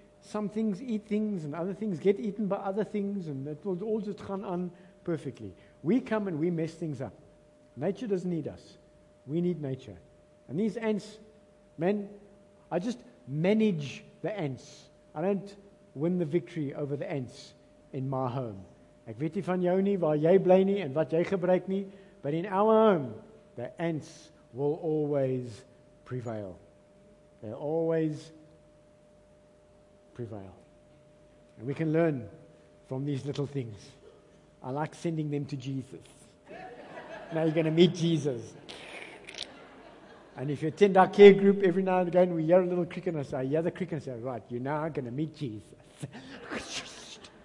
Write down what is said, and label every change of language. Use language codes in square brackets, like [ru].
[en] Some things eat things and other things get eaten by other things, and it will all just run on perfectly. We come and we mess things up. Nature doesn't need us. We need nature. And these ants, man, I just manage the ants. I don't win the victory over the ants in my home. [af] Ek weet nie van jou nie, waar jy bly nie en wat jy gebruik nie, [en] but in our home, the ants will always prevail. They always prevail. And we can learn from these little things. I like sending them to Jesus. Now you're going to meet Jesus. And if you attend our care group, every now and again, we hear a little cricket and I say, hear the cricket and say, right, you're now going to meet Jesus.